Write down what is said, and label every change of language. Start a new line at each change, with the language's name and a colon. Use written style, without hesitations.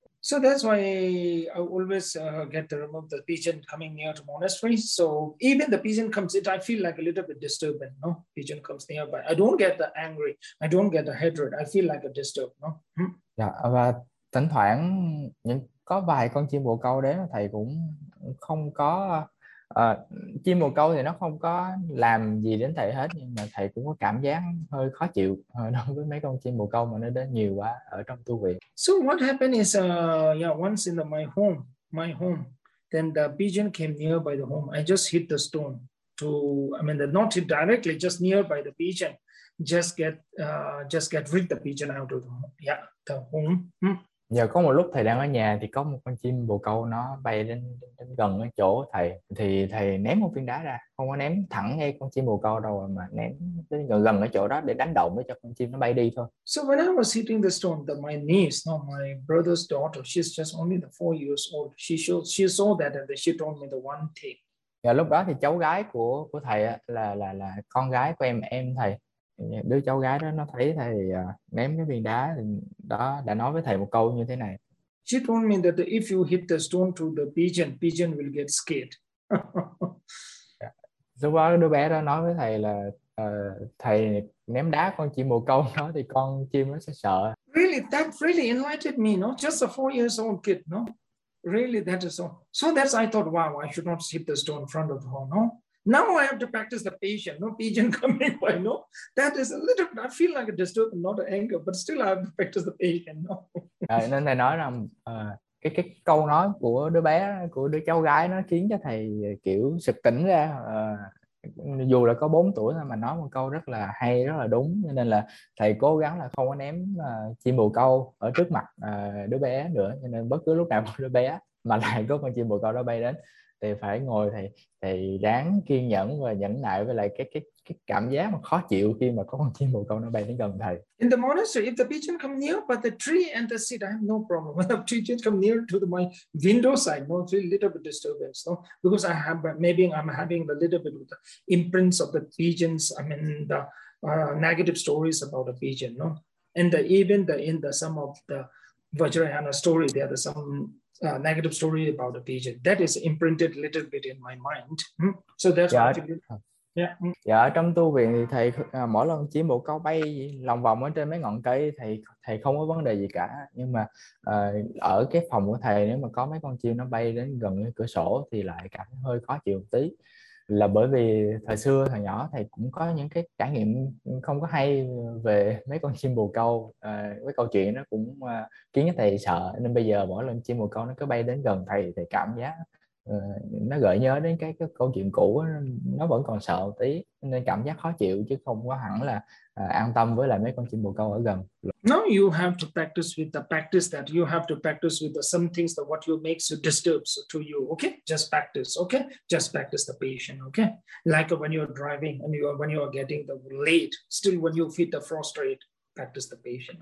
English: So that's why I always get to remove the pigeon coming near to monastery. So even the pigeon comes in, I feel like a little bit disturbed. No, pigeon comes nearby, I don't get the angry, I don't get the hatred, I feel like a disturbed. No.
Vietnamese: Yeah, và thỉnh thoảng những có vài con chim bồ câu đến thầy cũng không có chim bồ câu thì nó không có làm gì đến thầy hết, nhưng mà thầy cũng có cảm giác hơi khó chịu đối với mấy con chim bồ câu mà nó đến nhiều quá ở trong tu viện.
English: So what happened is once in my home then the pigeon came near by the home. I just hit the stone to I mean the not hit directly, just near by the pigeon, just get rid the pigeon out of the home.
Vietnamese: Giờ có một lúc thầy đang ở nhà thì có một con chim bồ câu nó bay đến đến gần cái chỗ thầy, thì thầy ném một viên đá ra, không có ném thẳng ngay con chim bồ câu đâu mà ném đến gần cái chỗ đó để đánh động cho con chim nó bay đi thôi.
English: So when I was hitting the stone, that my niece, not my brother's daughter, she's just only the 4 years old, she saw that and she told me the one thing.
Vietnamese: Giờ lúc đó thì cháu gái của thầy là con gái của em thầy, đứa cháu gái đó nó thấy thầy ném cái viên đá thì đó đã nói với thầy một câu như thế này.
English: She told me that if you hit the stone to the pigeon, pigeon will get scared.
Vietnamese: Lúc đó đứa bé đó nói với thầy là thầy ném đá con chim bồ câu nó thì con chim nó sẽ sợ.
English: Really, that really enlightened me, no? Just a 4 years old kid, no? Really, that is all. So that's, I thought, wow, I should not hit the stone in front of the hall, no? Now I have to practice the patience, no? Pigeon coming by, no? That is a little, I feel like a disturbance, not an anger, but still I have to practice the patience, no?
Vietnamese: À, nên thầy nói rằng cái câu nói của đứa bé của đứa cháu gái nó khiến cho thầy kiểu sực tỉnh ra, dù là có 4 tuổi thôi mà nói một câu rất là hay, rất là đúng, nên là thầy cố gắng là không có ném chim bồ câu ở trước mặt đứa bé nữa, cho nên bất cứ lúc nào một đứa bé mà lại có con chim bồ câu đó bay đến thì phải ngồi thầy ráng kiên nhẫn và nhẫn nại với lại cái cảm giác mà khó chịu khi mà có con chim bồ câu nó bay đến gần thầy.
English: In the monastery, if the pigeon come near, but the tree and the seat, I have no problem. When the pigeon come near to my window side, no, it's a little bit disturbance, no, because I have, maybe I'm having a little bit of the imprints of the pigeons. I mean, the negative stories about a pigeon, no, and the, even the in the some of the Vajrayana story, there are some negative story about a pigeon that is imprinted a little bit in my mind. So that's why I
Vietnamese: Dạ.
English: feel, yeah.
Vietnamese: Dạ, ở trong tu viện thì thầy mỗi lần chim bồ câu bay lòng vòng ở trên mấy ngọn cây thì thầy không có vấn đề gì cả, nhưng mà ở cái phòng của thầy nếu mà có mấy con chim nó bay đến gần cái cửa sổ thì lại cảm thấy hơi khó chịu một tí, là bởi vì thời xưa thời nhỏ thầy cũng có những cái trải nghiệm không có hay về mấy con chim bồ câu, với câu chuyện nó cũng khiến thầy sợ, nên bây giờ mỗi lần chim bồ câu nó cứ bay đến gần thầy thì cảm giác nó gợi nhớ đến cái câu chuyện cũ, nó vẫn còn sợ một tí nên cảm giác khó chịu chứ không có hẳn là an tâm với lại mấy con chim bồ câu ở gần.
English: Now you have to practice with the practice that you have to practice with the some things that what you makes you disturbs to you. Okay, just practice. Okay, just practice the patient. Okay, like when you're driving and you are when you are getting the late, still when you feel the frustrated, practice the patient.